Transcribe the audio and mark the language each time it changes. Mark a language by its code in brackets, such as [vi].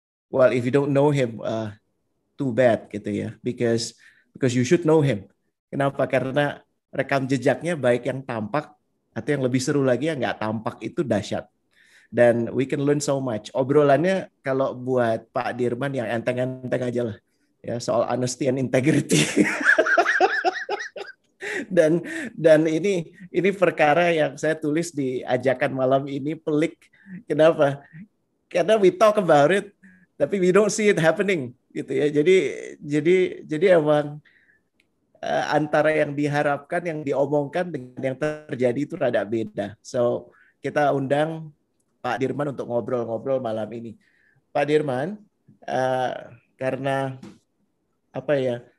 [en] Well, if you don't know him, too bad [id] gitu ya, [en] because you should know him. [id] Kenapa? Karena rekam jejaknya baik yang tampak atau yang lebih seru lagi yang nggak tampak itu dahsyat. Dan [en] we can learn so much. [id] Obrolannya kalau buat Pak Dirman yang enteng-enteng aja lah. Ya, soal [en] honesty and integrity. [id] dan ini perkara yang saya tulis di ajakan malam ini pelik. Kenapa? [en] Karena we talk about it, tapi we don't see it happening. [id] Gitu ya. Jadi emang antara yang diharapkan, yang diomongkan dengan yang terjadi itu rada beda. So, kita undang Pak Dirman untuk ngobrol-ngobrol malam ini. Pak Dirman, karena apa ya?